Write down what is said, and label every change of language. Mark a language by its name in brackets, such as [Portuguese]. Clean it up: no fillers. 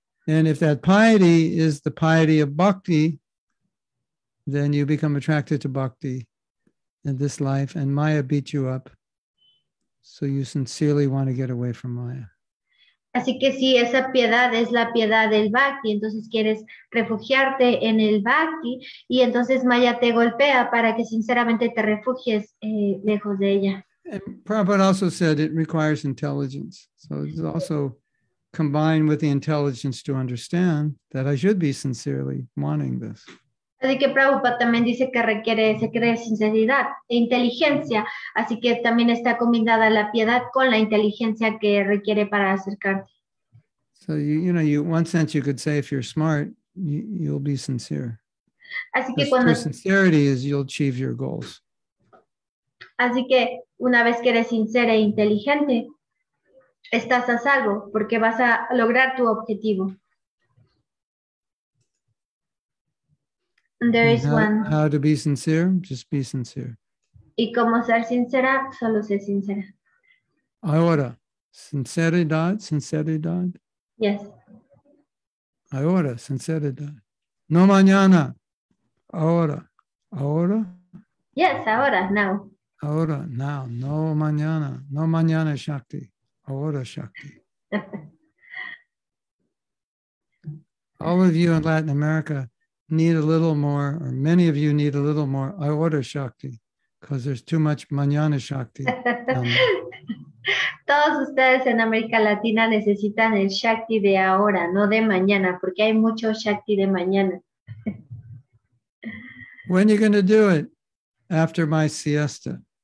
[English] And if that piety is the piety of bhakti, then you become attracted to bhakti in this life, and Maya beats you up, so you sincerely want to get away from Maya. [Spanish] Así que si esa piedad es la piedad del bhakti, entonces quieres refugiarte en el bhakti y entonces Maya te golpea para que sinceramente te refugies lejos de ella. [English] And Prabhupada also said it requires intelligence. So it's also combined with the intelligence to understand that I should be sincerely wanting this. [Spanish] Así que Prabhupada también dice que se cree sinceridad e inteligencia. Así que también está combinada la piedad con la inteligencia que requiere para acercarte. [English] So, you know, one sense you could say if you're smart, you'll be sincere. [Spanish] Así que cuando... [English] Sincerity is you'll achieve your goals. [Spanish] Así que una vez que eres sincera e inteligente, estás a salvo porque vas a lograr tu objetivo. [English] How to be sincere? Just be sincere. [Spanish] ¿Y cómo ser sincera? Solo ser sincera. Ahora, sinceridad, sinceridad. [English] Yes. [Spanish] Ahora, sinceridad. No mañana. Ahora. Ahora? [English] Yes, ahora, now. [Spanish] Ahora, now. No mañana. No mañana, Shakti. Ahora, Shakti. [English] All of you in Latin America need a little more, or many of you need a little more, I order Shakti, because there's too much mañana Shakti. [Spanish] Todos ustedes en América Latina necesitan el Shakti de ahora, no de mañana, porque hay mucho Shakti de mañana. [English] When are you going to do it? After my siesta.